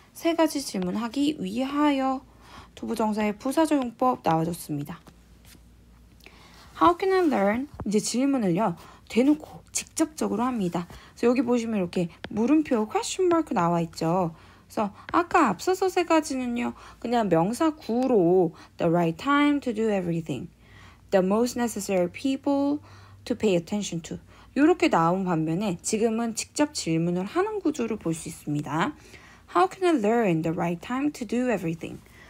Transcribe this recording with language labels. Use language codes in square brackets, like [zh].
[ko] 세 가지 질문하기 위하여. 투부정사의 부사적용법 나와줬습니다. [en] How can I learn? [ko] 이제 질문을요. 대놓고 직접적으로 합니다. 그래서 여기 보시면 이렇게 물음표 question mark 나와 있죠. 그래서 아까 앞서서 세 가지는요. 그냥 명사구로 [en] the right time to do everything. The most necessary people to pay attention to. [ko] 이렇게 나온 반면에 지금은 직접 질문을 하는 구조를 볼 수 있습니다. [en] How can I learn the right time to do everything?